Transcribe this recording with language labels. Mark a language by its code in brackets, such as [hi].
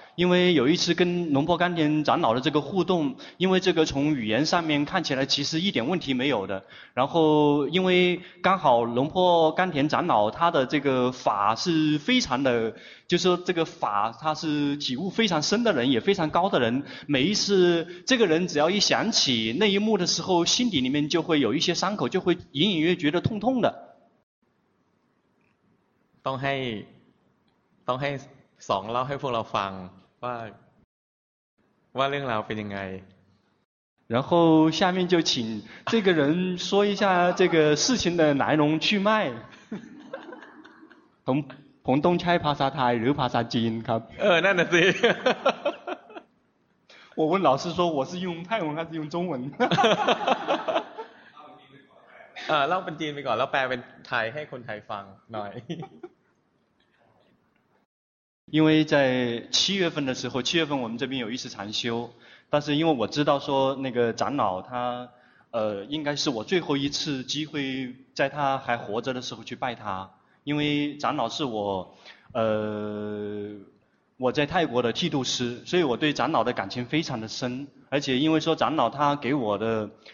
[zh] 因为有一次跟龙婆甘田长老的这个互动，因为这个从语言上面看起来其实一点问题没有的，然后因为刚好龙婆甘田长老他的这个法是非常的，就是说这个法他是体悟非常深的人，也非常高的人，每一次这个人只要一想起那一幕的时候，心底里面就会有一些伤口，就会隐隐约觉得痛痛的。 [th] ต้องให้สองเล่าให้พวกเราฟังว่าเรื่องราวเป็นยังไง [zh] 然后下面就请这个人说一下这个事情的来龙去脉 [th] ผมต้องใช้ภาษาไทยหรือภาษาจีนครับ เออนั่นน่ะสิ [zh] 我问老师说我是用泰文还是用中文 [th] เล่าเป็นจีนไปก่อนแล้วแปลเป็นไทยให้คนไทยฟังหน่อย [zh] 因为在七月份的时候，七月份我们这边有一次禅修，但是因为我知道说那个长老他，应该是我最后一次机会在他还活着的时候去拜他，因为长老是我在泰国的剃度师，所以我对长老的感情非常的深，而且因为说长老他给我的，